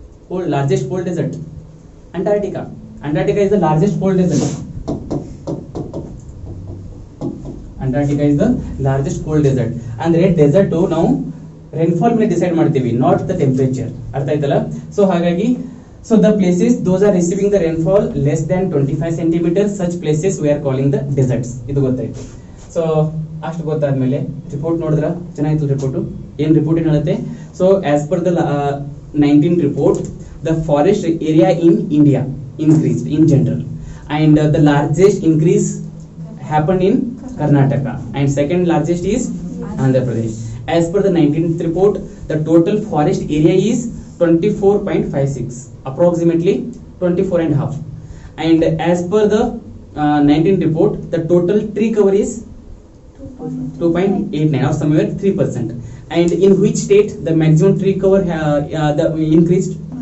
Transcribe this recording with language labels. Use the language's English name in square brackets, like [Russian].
[English] Cold largest cold desert Antarctica. Antarctica is the largest cold desert. Antarctica is the largest cold desert. [Kannada] ಅಂದ್ರೆ dessert ನಾವು rainfall ಮೇಲೆ decide ಮಾಡ್ತೀವಿ, [English] Not the temperature. [Kannada] ಅರ್ಥ ಆಯ್ತಲ್ಲ? So ಹಾಗಾಗಿ [English] So the places those are receiving the rainfall less than 25 centimeters, such places we are calling the deserts. [Kannada] ಇದು ಗೊತ್ತಾಯ್ತು. So ಅಷ್ಟು ಗೊತ್ತಾದ್ಮೇಲೆ ರಿಪೋರ್ಟ್ ನೋಡಿದ್ರ ಚೆನ್ನಾಗಿತ್ತು ರಿಪೋರ್ಟ್. ಏನ್ ರಿಪೋರ್ಟ್ ಏನ್ ಹೇಳುತ್ತೆ? [English] So as per the 19 report the forest area in India increased in general and the largest increase happen in Karnataka and second largest is Andhra Pradesh. As per the 19 report the total forest area is 24.56 approximately 24 and a half and as per the 19 report the total tree cover is 2.89 or somewhere 3% and in which state the maximum tree cover the increased